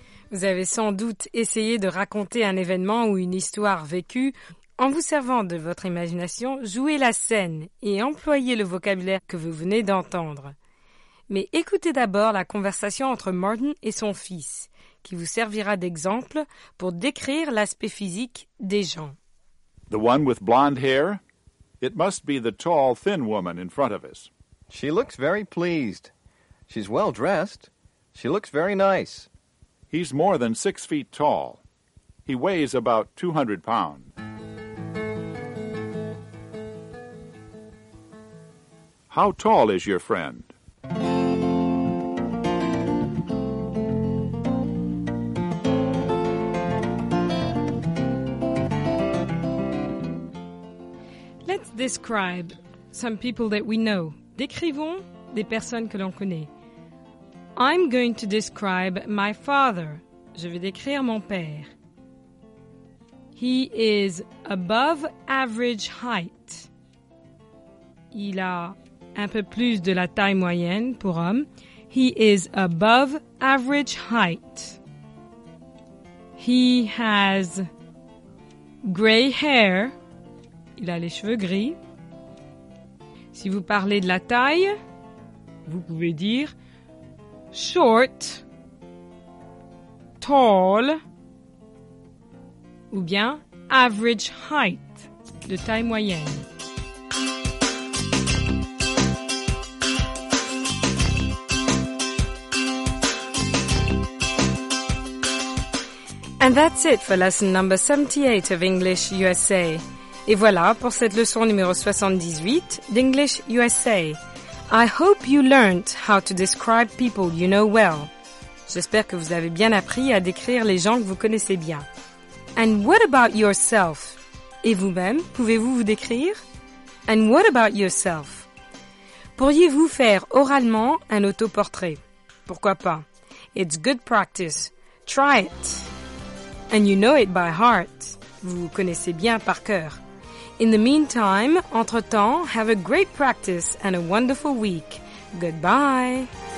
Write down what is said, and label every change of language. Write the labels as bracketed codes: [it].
[fr] Vous avez sans doute essayé de raconter un événement ou une histoire vécue. En vous servant de votre imagination, jouez la scène et employez le vocabulaire que vous venez d'entendre. Mais écoutez d'abord la conversation entre Martin et son fils, qui vous servira d'exemple pour décrire l'aspect physique des gens. [en] The one with blonde hair? It must be the tall, thin woman in front of us. She looks very pleased. She's well dressed. She looks very nice. He's more than 6 feet tall. He weighs about 200 pounds. How tall is your friend? Let's describe some people that we know. [fr] Décrivons des personnes que l'on connaît. [en] I'm going to describe my father. [fr] Je vais décrire mon père. [en] He is above average height. [fr] Il a un peu plus de la taille moyenne pour homme. [en] He is above average height. He has gray hair. [fr] Il a les cheveux gris. Si vous parlez de la taille, vous pouvez dire short, tall, ou bien average height, de taille moyenne. [en] And that's it for lesson number 78 of English USA. [fr] Et voilà pour cette leçon numéro 78 d'English USA. [en] I hope you learned how to describe people you know well. [fr] J'espère que vous avez bien appris à décrire les gens que vous connaissez bien. [en] And what about yourself? [fr] Et vous-même, pouvez-vous vous décrire? [en] And what about yourself? [fr] Pourriez-vous faire oralement un autoportrait? Pourquoi pas? [en] It's good practice. Try it. And you know it by heart. [fr] Vous vous connaissez bien par cœur. [en] In the meantime, [fr] entre-temps, [en] have a great practice and a wonderful week. Goodbye.